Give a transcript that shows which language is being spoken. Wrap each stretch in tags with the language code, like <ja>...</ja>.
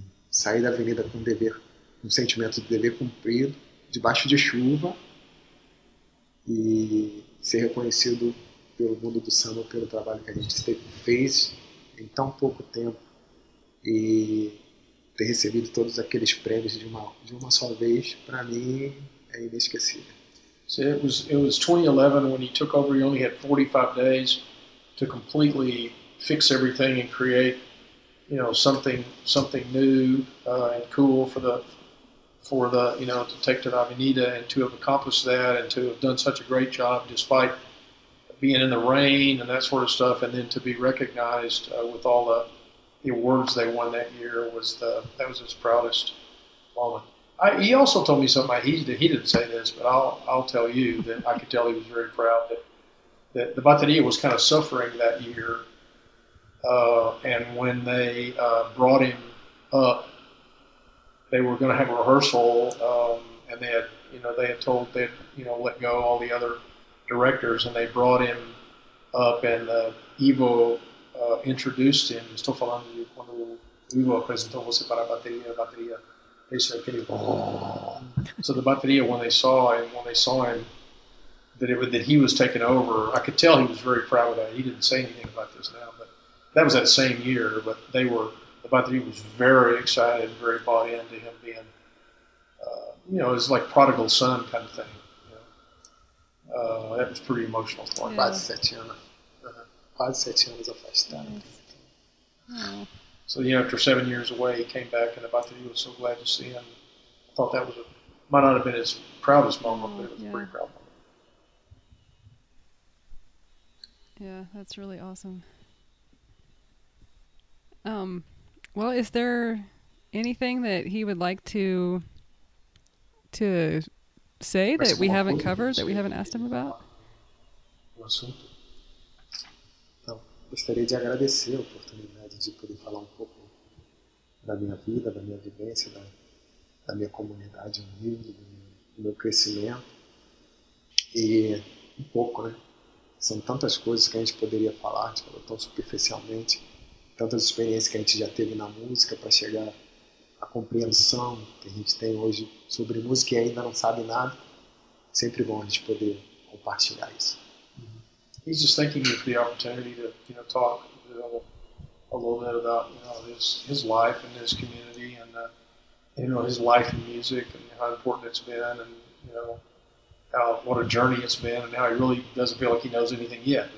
<pt>Sair da avenida com dever, um sentimento de dever cumprido, debaixo de chuva, e ser reconhecido pelo mundo do samba, pelo trabalho que a gente fez em tão pouco tempo, e ter recebido todos aqueles prêmios de uma só vez, para mim, é inesquecível.</pt> <en>So it was 2011 when he took over. He only had 45 days to completely fix everything and create, something new and cool for the to take to the Avenida, and to have accomplished that and to have done such a great job despite being in the rain and that sort of stuff, and then to be recognized with all the awards they won that year, was that was his proudest moment. He also told me something. He didn't say this, but I'll tell you that I could tell he was very proud that the Bateria was kind of suffering that year. And when they brought him up, they were going to have a rehearsal, and they had let go all the other directors, and they brought him up, and Ivo introduced him.</en> <pt>Estou falando de quando Ivo apresentou você para a bateria.</pt> <en>They said, "Can you?" So the Bateria, when they saw him, that he was taking over, I could tell he was very proud of that. He didn't say anything about this now, but that was that same year. But the Bateria was very excited and very bought into him being, it was like prodigal son kind of thing. That was pretty emotional for him.</en> <pt>Quase 7 anos. Quase 7 anos afastado.</pt> <en>So, after 7 years away, he came back, and the Bateria was so glad to see him. I thought that might not have been his proudest moment, but it was a pretty proud moment. Yeah, that's really awesome. Well, is there anything that he would like to say that we haven't covered, that we haven't asked him about?</en> <pt>Gostaria de agradecer a oportunidade de poder falar um pouco da minha vida, da minha vivência, da minha comunidade humilde, do meu crescimento. E um pouco, né? São tantas coisas que a gente poderia falar, a gente falou tão superficialmente, tantas experiências que a gente já teve na música para chegar à compreensão que a gente tem hoje sobre música e ainda não sabe nada. Sempre bom a gente poder compartilhar isso.</pt> <en>He's just thanking me for the opportunity to, talk a little bit about, his life and his community and, his life and music and how important it's been and, what a journey it's been and how he really doesn't feel like he knows anything yet.</en>